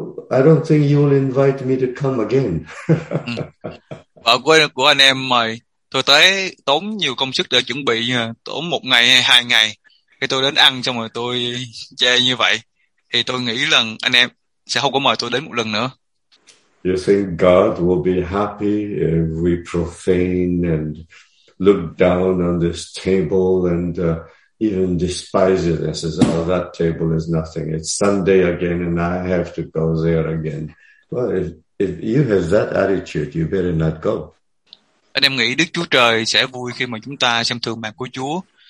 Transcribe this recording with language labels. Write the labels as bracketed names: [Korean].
[English] I don't think you will invite me to come again. [Vietnamese] Vợ của anh em mời tôi tới tốn nhiều công sức để chuẩn bị, tốn một ngày hay hai ngày. Khi tôi đến ăn xong rồi tôi chê như vậy, thì tôi nghĩ là anh em sẽ không có mời tôi đến một lần nữa. [English] You think God will be happy if we profane and look down on this table and even despise it and says, oh, that table is nothing. It's Sunday again and I have to go there again. Well, if you have that attitude, you better not go. [Vietnamese] Anh em nghĩ Đức Chúa Trời sẽ vui khi mà chúng ta xem thường bàn của Chúa.